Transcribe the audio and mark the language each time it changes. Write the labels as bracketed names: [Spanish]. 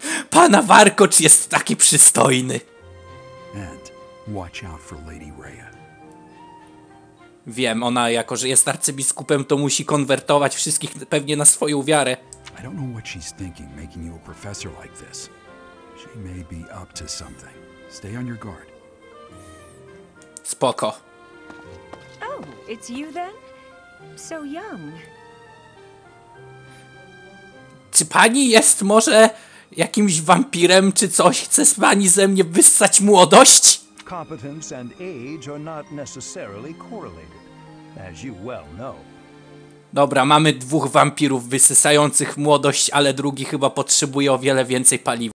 [Polish] Pana Warkocz jest taki przystojny. [English] And watch out for Lady Rhea. [Polish] Wiem, ona jako że jest arcybiskupem, to musi konwertować wszystkich pewnie na swoją wiarę. [English] I don't know what she's thinking, making you a professor like this. She may be up to something. Stay on your guard. [Polish] Spoko. [English] Oh, it's you then? So young. [Polish] Czy pani jest może jakimś wampirem czy coś? Chce pani ze mnie wyssać młodość? [English] Competence and age are not necessarily correlated, as you well know. [Polish] Dobra, mamy dwóch wampirów wysysających młodość, ale drugi chyba potrzebuje o wiele więcej paliwa.